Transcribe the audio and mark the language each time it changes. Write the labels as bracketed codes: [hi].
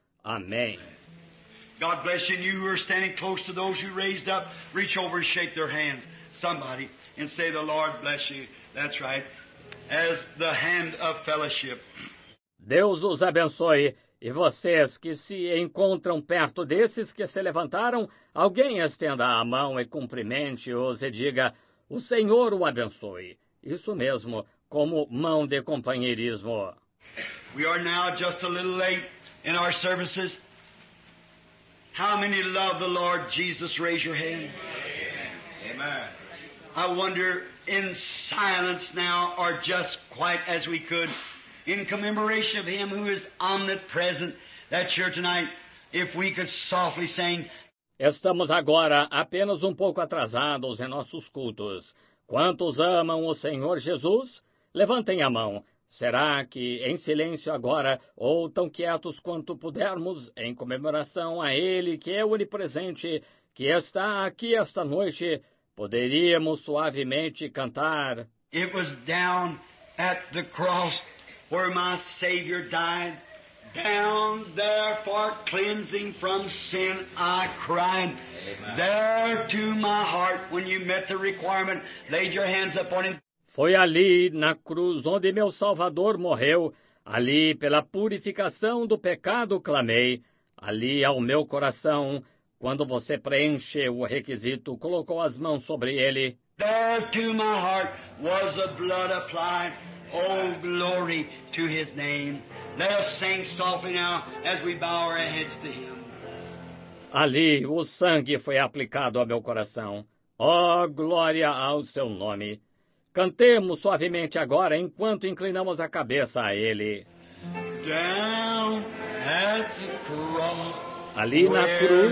[pt] Amém. [en] God bless you, and you who are standing close to those who raised up, reach over and shake their hands, somebody, and say, the Lord bless you. That's right. As the hand of fellowship. [pt] Deus os abençoe. E vocês que se encontram perto desses que se levantaram, alguém estenda a mão e cumprimente-os e diga, o Senhor o abençoe. Isso mesmo, como mão de companheirismo. [en] We are now just a little late in our services. How many love the Lord Jesus? Raise your hand. Amen. I wonder, in silence now, or just quite as we could, in commemoration of Him who is omnipresent, that's here tonight, if we could softly sing. [pt] Estamos agora apenas pouco atrasados em nossos cultos. Quantos amam o Senhor Jesus? Levantem a mão. Será que em silêncio agora, ou tão quietos quanto pudermos, em comemoração a Ele que é onipresente, que está aqui esta noite, poderíamos suavemente cantar? [en] It was down at the cross where my Savior died, down there for cleansing from sin I cried. Amen. There to my heart, when you met the requirement, laid your hands upon Him. [pt] Foi ali, na cruz, onde meu Salvador morreu, ali, pela purificação do pecado, clamei, ali ao meu coração, quando você preencheu o requisito, colocou as mãos sobre Ele. [en] There to my heart was the blood applied. Oh, glory to His name. Let us sing softly now as we bow our heads to Him. [pt] Ali o sangue foi aplicado ao meu coração. Oh, glória ao Seu nome. Cantemos suavemente agora enquanto inclinamos a cabeça a Ele. [en] Down at the cross, [pt] ali na cruz,